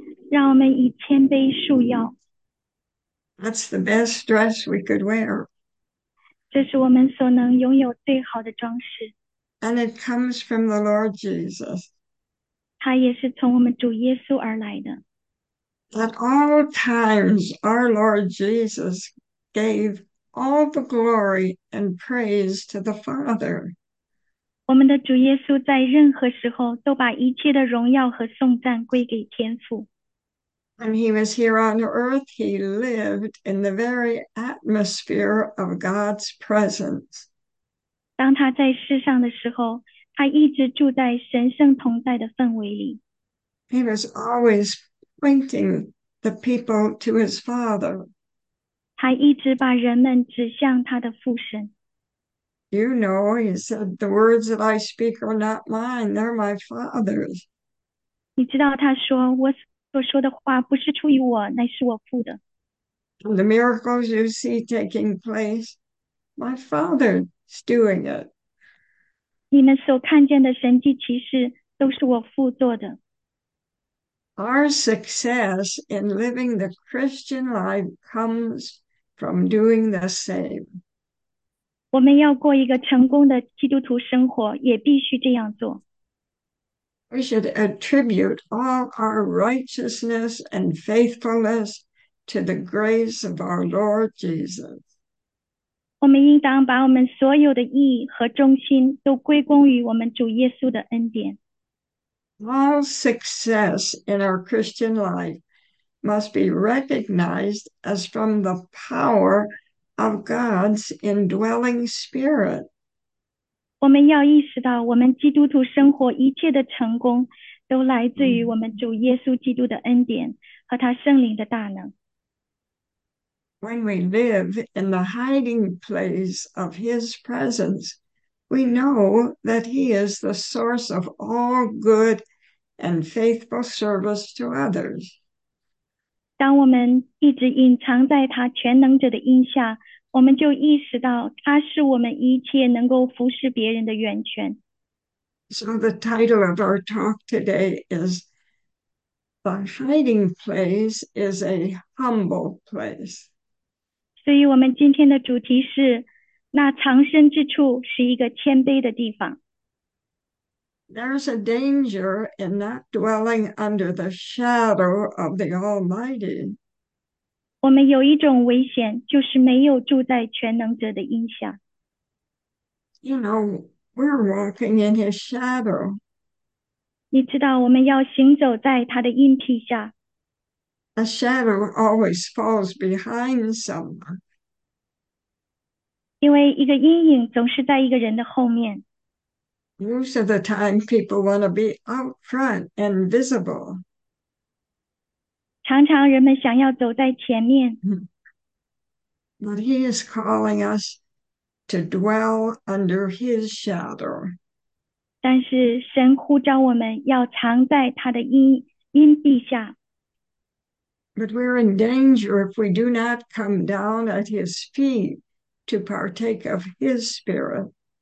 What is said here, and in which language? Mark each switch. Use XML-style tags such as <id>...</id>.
<zh>让我们以谦卑束腰。</zh> <en>That's the best dress we could wear.</en> <zh>这是我们所能拥有最好的装饰。</zh> <en>And it comes from the Lord Jesus.</en> <zh>它也是从我们主耶稣而来的。</zh> <en>At all times, our Lord Jesus gave all the glory and praise to the Father.</en> <zh>我们的主耶稣在任何时候都把一切的荣耀和颂赞归给天父。</zh> <en>When he was here on earth, he lived in the very atmosphere of God's presence.</en> <zh>当他在世上的时候，他一直住在神圣同在的氛围里。</zh> <en>He was always pointing the people to his father.</en> <zh>他一直把人们指向他的父神。</zh> <en>You know, he said, the words that I speak are not mine, they're my father's.</en> <zh>你知道他说，我所说的话不是出于我，乃是我父的。</zh> <en>And the miracles you see taking place, my father's doing it.</en> <zh>你们所看见的神迹奇事都是我父做的。</zh> <en>Our success in living the Christian life comes from doing the same.</en> <zh>我们要过一个成功的基督徒生活，也必须这样做。</zh> <en>We should attribute all our righteousness and faithfulness to the grace of our Lord Jesus.</en> <zh>我们应当把我们所有的意义和忠心都归功于我们主耶稣的恩典。</zh> <en>All success in our Christian life must be recognized as from the power of God's indwelling spirit.</en> <zh>我们要意识到，我们基督徒生活一切的成功，都来自于我们主耶稣基督的恩典和他圣灵的大能。</zh> <en>When we live in the hiding place of His presence, We know that he is the source of all good and faithful service to others.</en> <zh>当我们一直隐藏在他全能者的荫下，我们就意识到他是我们一切能够服侍别人的源泉。</zh> <en>So the title of our talk today is "The Hiding Place is a Humble Place."</en> <zh>所以，我们今天的主题是那藏身之处是一个谦卑的地方。</zh> <en>There's a danger in not dwelling under the shadow of the Almighty.</en> <zh>我们有一种危险，就是没有住在全能者的荫下。</zh> <en>We're walking in his shadow.</en> <zh>你知道，我们要行走在他的荫庇下。</zh> <en>A shadow always falls behind someone.</en> <zh>因为一个阴影总是在一个人的后面。</zh> <en>Most of the time, people want to be out front and visible.</en> <zh>常常人们想要走在前面。</zh> <en>But he is calling us to dwell under his shadow.</en> <zh>但是神呼召我们要藏在他的荫蔽下。</zh> <en>But we're in danger if we do not come down at his feet to partake of his spirit.</en>